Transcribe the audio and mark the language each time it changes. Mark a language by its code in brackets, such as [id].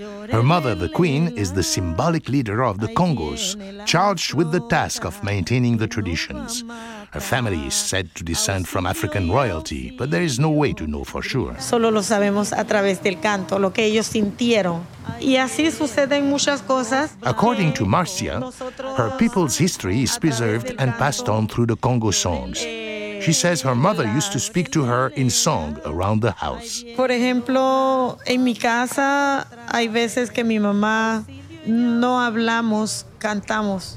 [en] Her mother, the queen, is the symbolic leader of the Congos, charged with the task of maintaining the traditions. Her family is said to descend from African royalty, but there is no way to know for sure. [es] Solo lo sabemos a través del canto, lo que ellos sintieron. Y así suceden muchas cosas. [en] According to Marcia, her people's history is preserved and passed on through the Congo songs. She says her mother used to speak to her in song around the house. [es] Por ejemplo, en mi casa hay veces que mi mamá no hablamos, cantamos.